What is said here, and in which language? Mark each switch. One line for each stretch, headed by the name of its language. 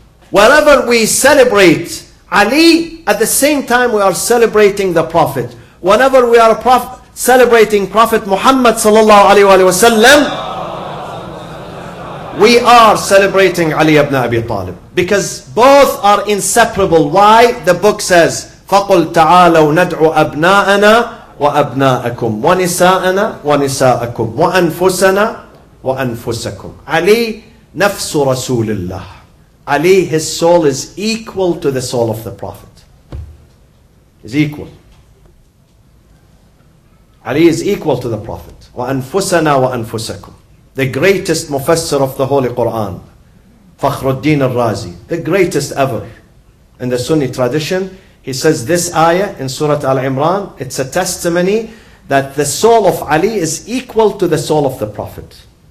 English: Wherever we celebrate Ali, at the same time we are celebrating the Prophet. Whenever we are a Prophet, celebrating Prophet Muhammad sallallahu alaihi wasallam, we are celebrating Ali ibn Abi Talib, because both are inseparable. Why? The book says,
Arabic: فقل تعالوا ندعو أبناءنا وأبناءكم ونساءنا ونساءكم وأنفسنا وأنفسكم. علي نفس رسول الله.
English: علي, his soul is equal to the soul of the Prophet. Is equal. Ali is equal to the Prophet.
Arabic: وأنفسنا وأنفسكم.
English: The greatest mufassir of the Holy Quran, Fakhruddin al-Razi, the greatest ever in the Sunni tradition, he says this ayah in Surah Al-Imran, it's a testimony that the soul of Ali is equal to the soul of the Prophet.